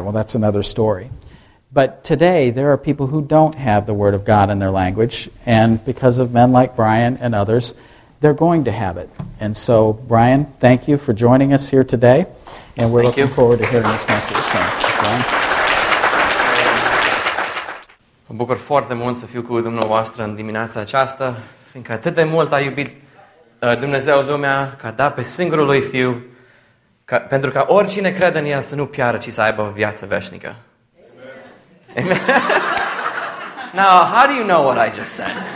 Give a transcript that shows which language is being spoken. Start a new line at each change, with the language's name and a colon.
English: Well, that's another story. But today, there are people who don't have the Word of God in their language. And because of men like Brian and others, they're going to have it. And so, Brian, thank you for joining us here today. And we're looking forward to hearing this message. So, Brian.
Romanian: Mă bucur foarte mult să fiu cu dumneavoastră în dimineața aceasta, fiindcă atât de mult a iubit Dumnezeu lumea, că a dat pe singurul lui Fiu, ca, pentru ca oricine crede în El să nu piară, ci să aibă viață veșnică. Amen. Amen.
English: Now, how do you know what I just said?